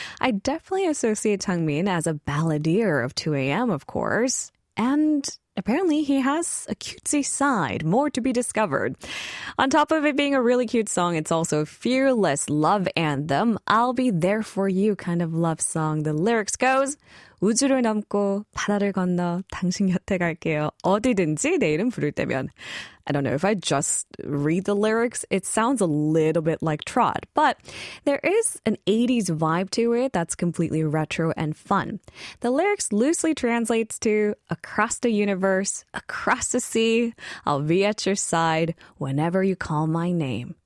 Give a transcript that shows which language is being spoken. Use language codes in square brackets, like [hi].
[en] I definitely associate Changmin as a balladeer of 2AM, of course. And apparently he has a cutesy side, more to be discovered. On top of it being a really cute song, it's also a fearless love anthem. I'll be there for you kind of love song. The lyrics goes, [ko] 우주를 넘고 바다를 건너 당신 곁에 갈게요. 어디든지 내 이름 부를 때면. [en] I don't know if I just read the lyrics. It sounds a little bit like trot, but there is an 80s vibe to it that's completely retro and fun. The lyrics loosely translates to across the universe, across the sea, I'll be at your side whenever you call my name.